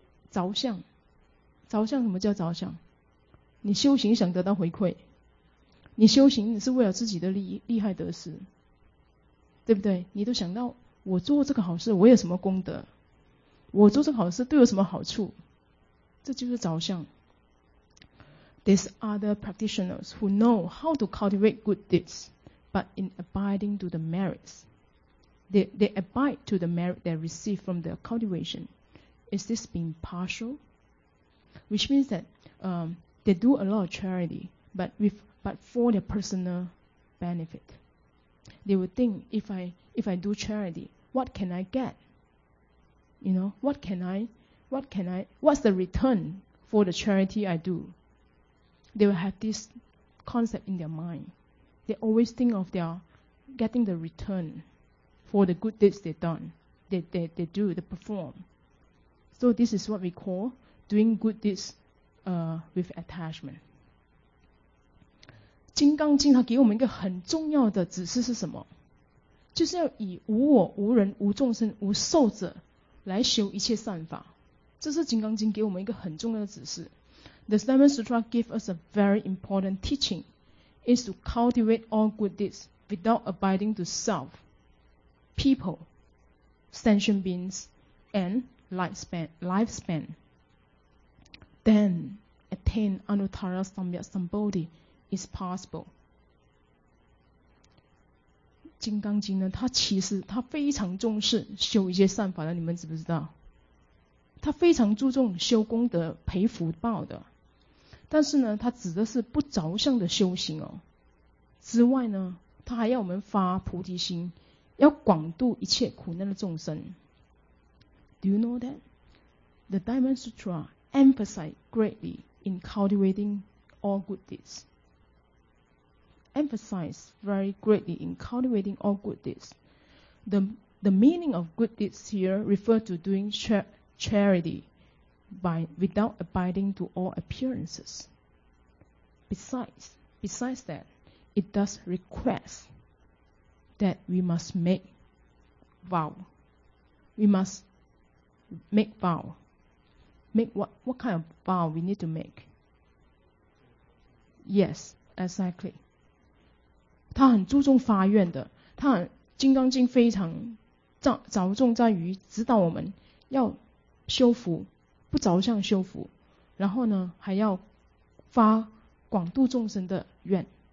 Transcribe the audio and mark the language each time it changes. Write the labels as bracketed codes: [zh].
[zh] 着相什么叫着相？你修行想得到回馈，你修行是为了自己的利害得失，对不对？你都想到我做这个好事，我有什么功德？我做这个好事对我有什么好处？这就是着相。 [en] There's other practitioners who know how to cultivate good deeds, but in abiding to the merits, they abide to the merit they receive from the cultivation. Is this being partial? Which means that they do a lot of charity, but for their personal benefit, they will think if I do charity, what can I get? You know, what's the return for the charity I do? They will have this concept in their mind. They always think of their getting the return for the good deeds they've done, they do, they perform. So this is what we call doing good deeds with attachment. [zh] 金刚经它给我们一个很重要的指示是什么？就是要以无我、无人、无众生、无受者来修一切善法。这是《金刚经》给我们一个很重要的指示。 [en] The Seven Sutra give us a very important teaching, is to cultivate all good deeds without abiding to self, people, sentient beings, and lifespan. Then attain Anuttara Samyak Sambodhi is possible. [zh] 金刚经呢，它其实它非常重视修一些善法的，你们知不知道？他非常注重修功德培福报的，但是呢，他指的是不着相的修行哦。之外呢，他还要我们发菩提心，要广度一切苦难的众生。 [en] Do you know that the Diamond Sutra emphasize greatly in cultivating all good deeds? Emphasize very greatly in cultivating all good deeds. The meaning of good deeds here refer to doing charity by without abiding to all appearances. Besides that, it does request that we must make vow. We must make vow. Make what kind of vow we need to make? Yes, exactly. [zh] 他很注重发愿的，他很金刚经非常着重在于指导我们要修福，不着相修福，然后呢，还要发广度众生的愿。